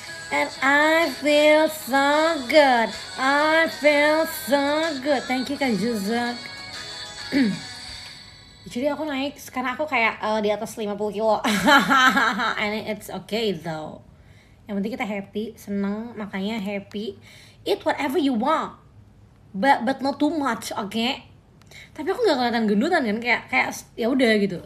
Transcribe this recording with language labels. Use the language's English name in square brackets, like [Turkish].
[English] And I feel so good, I feel so good. Thank you Kak Juzak. [Indonesian] Jadi aku naik, sekarang aku kayak di atas 50 kilo. [English] And it's okay though. [Indonesian] Yang penting kita happy, seneng, makanya happy. [English] Eat whatever you want, but not too much, okay? [Indonesian] Tapi aku nggak kelihatan gendutan kan, kayak ya udah gitu.